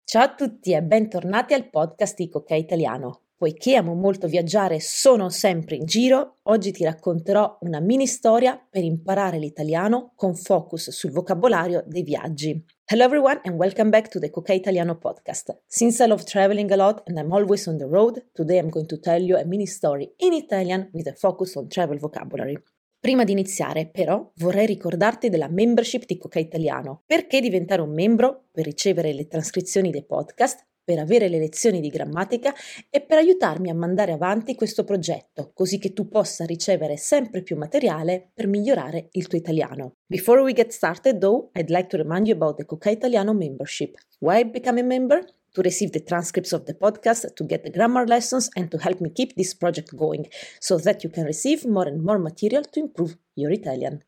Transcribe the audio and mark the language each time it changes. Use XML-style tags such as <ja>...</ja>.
<it>Ciao a tutti e bentornati al podcast di Cocchè Italiano. Poiché amo molto viaggiare e sono sempre in giro, oggi ti racconterò una mini storia per imparare l'italiano con focus sul vocabolario dei viaggi.</it> <en>Hello everyone and welcome back to the Cocchè Italiano podcast. Since I love traveling a lot and I'm always on the road, today I'm going to tell you a mini story in Italian with a focus on travel vocabulary.</en> <it>Prima di iniziare, però, vorrei ricordarti della membership di Cocchè Italiano. Perché diventare un membro? Per ricevere le trascrizioni dei podcast, per avere le lezioni di grammatica e per aiutarmi a mandare avanti questo progetto, così che tu possa ricevere sempre più materiale per migliorare il tuo italiano.</it> <en>Before we get started, though, I'd like to remind you about the Cocchè Italiano membership. Why become a member? To receive the transcripts of the podcast, to get the grammar lessons, and to help me keep this project going, so that you can receive more and more material to improve your Italian.</en>